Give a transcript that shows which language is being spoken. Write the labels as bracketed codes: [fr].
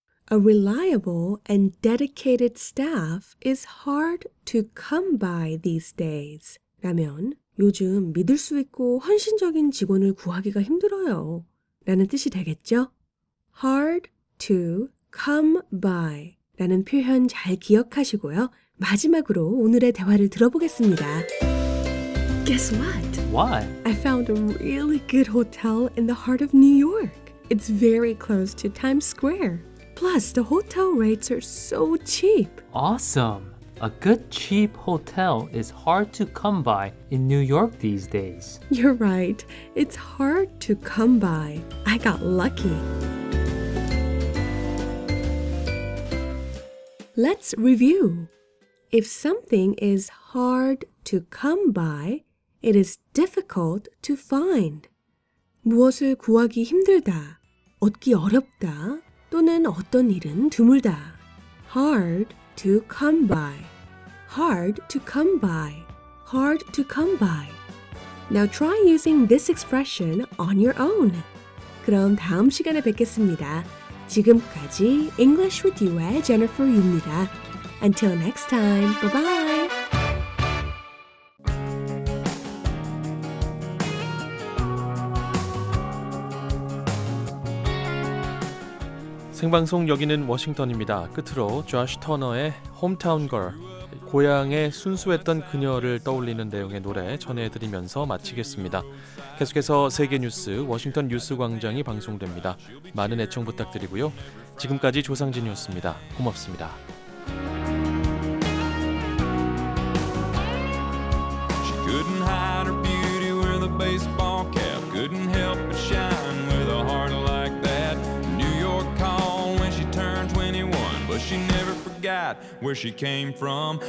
[en] A reliable and dedicated staff is hard to come by these days. [ko] 라면 요즘 믿을 수 있고 헌신적인 직원을 구하기가 힘들어요. 라는 뜻이 되겠죠? [en] Hard to come by [ko] 라는 표현 잘 기억하시고요. 마지막으로 오늘의 대화를 들어보겠습니다. [en] Guess what? What? I found a really good hotel in the heart of New York. It's very close to Times Square. Plus, the hotel rates are so cheap. Awesome! A good cheap hotel is hard to come by in New York these days. You're right. It's hard to come by. I got lucky. Let's review. If something is hard to come by, it is difficult to find. [ko] 무엇을 구하기 힘들다, 얻기 어렵다, 또는 어떤 일은 드물다. [en] Hard to come by. Hard to come by. Hard to come by. Now try using this expression on your own. [ko] 그럼 다음 시간에 뵙겠습니다. 지금까지 English with You의 Jennifer Yu입니다. Until next time, bye-bye! Sing방송 여기는 워싱턴입니다. 끝으로 Josh Turner의 Hometown Girl. 고향의 순수했던 그녀를 떠올리는 내용의 노래 전해드리면서 마치겠습니다. 계속해서 세계 뉴스 워싱턴 뉴스 광장이 방송됩니다. 많은 애청 부탁드리고요. 지금까지 조상진이었습니다. 고맙습니다. [en] She couldn't hide her beauty with a baseball cap. Couldn't help but shine with a heart like that. New York call when she turned 21. But she never forgot where she came from.